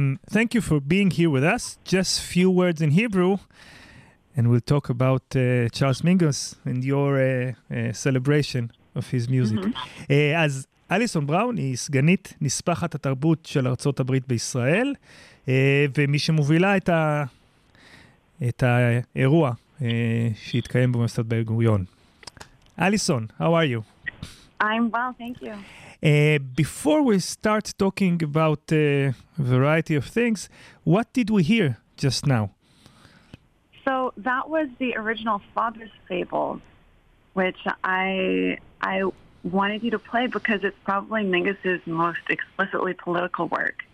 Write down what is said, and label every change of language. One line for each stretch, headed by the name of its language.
English: Thank you for being here with us. Just few words in Hebrew and we'll talk about Charles Mingus and your celebration of his music.
Hebrew: אז אליסון בראון היא סגנית נספחת התרבות של ארצות הברית בישראל, ומי שמובילה את האירוע שהתקיים במוסד בן גוריון.
English: אליסון, how are you? I'm well, thank you. Before we start talking about a variety of things, what did we hear just now? So that was the original Father's Fables, which I wanted you to play because it's probably Mingus's most explicitly political work.